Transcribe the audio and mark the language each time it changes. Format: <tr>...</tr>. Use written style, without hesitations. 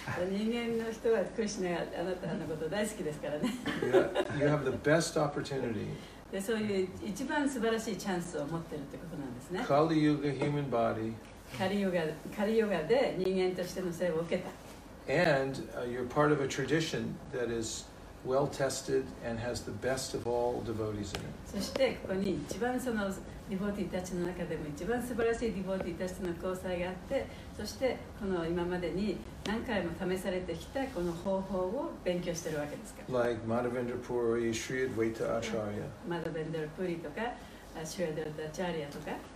<ja>人間の人はクリシナがあなたのこと大好きですからね。</ja> <en>you have the best opportunity.</en> <ja>で、そういう一番素晴らしいチャンスを持ってるってことなんですね。</ja> <en>カリユガ、human body。</en> <ja>カリユガで人間としての生を受けた。</ja> <en>And、you're part of a tradition that is well tested and has the best of all devotees in it。</en> <ja>そしてここに一番そのディボティたちの中でも一番素晴らしいディボティたちとの交際があって、そしてこの今までに何回も試されてきたこの方法を勉強してるわけですから。</ja> <en>Like Madhavendra Puri, Shri Advaita Acharya。</en> <ja>Madhavendra Puri とか、Shri Advaita Acharya とか。</ja>